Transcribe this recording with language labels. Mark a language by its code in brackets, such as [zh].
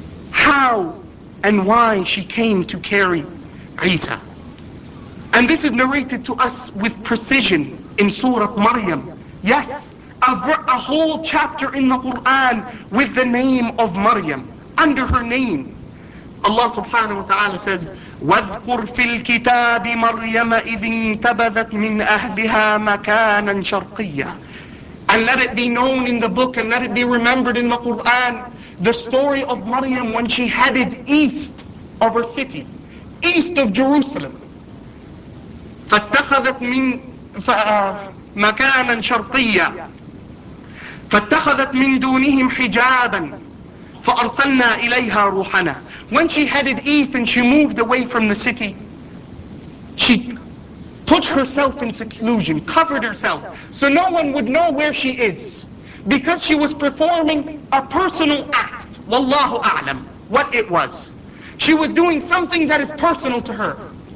[en] How and why she came to carry Isa. And this is narrated to us with precision in Surah Maryam. Yes, a whole chapter in the Quran with the name of Maryam, under her name. Allah subhanahu wa ta'ala says, [ar] وَاذْكُرْ فِي الْكِتَابِ مَرْيَمَ إِذِ انْتَبَذَتْ مِنْ أَهْلِهَا مَكَانًا شَرْقِيًّا. [en] And let it be known in the book, and let it be remembered in the Quran, the story of Maryam when she headed east of her city, east of Jerusalem. [ar] فَاتَّخَذَتْ مِنْ مَكَانًا شَرْقِيًّا. فاتخذت من دونهم حجابا فأرسلنا إليها روحنا. [en] When she headed east and she moved away from the city, she put herself in seclusion, covered herself, so no one would know where she is, because she was performing a personal act. Wallahu a'lam, what it was. She was doing something that is personal to her.